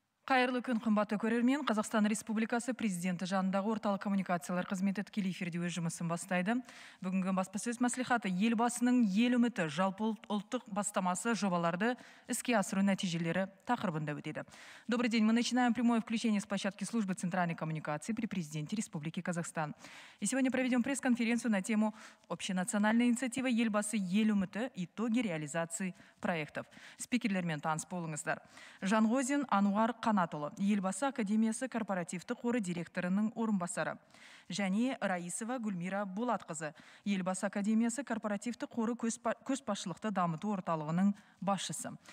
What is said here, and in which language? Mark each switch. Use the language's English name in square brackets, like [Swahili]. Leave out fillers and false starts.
[Kazakh] Қайырлы күн, қымбатты көрермен. Қазақстан Республикасы президенті жанындағы орталық коммуникациялар қызметі тікелей эфирде өз жұмысын бастайды. Бүгінгі баспасөз мәслихаты елбасының ел үміті жалпы ұлттық бастамасы жобаларды іске асыру нәтижелері тақырыбында өтеді. [Russian] Добрый день, мы начинаем прямое включение с площадки службы центральной коммуникации при президенте Республики Казахстан. И сегодня проведем пресс-конференцию на тему «Общенациональная инициатива елбасы ел үміті. Итоги реализации проектов». [Kazakh] Спикерлермен таныс болыңыздар. Жанғозин Ануар Қанатұлы, елбасы академиясы корпоративті қоры директорының орынбасары. Және Раисова Гүлмира Болатқызы, елбасы академиясы корпоративті қоры көспашылықты дамыту орталығының басшысы.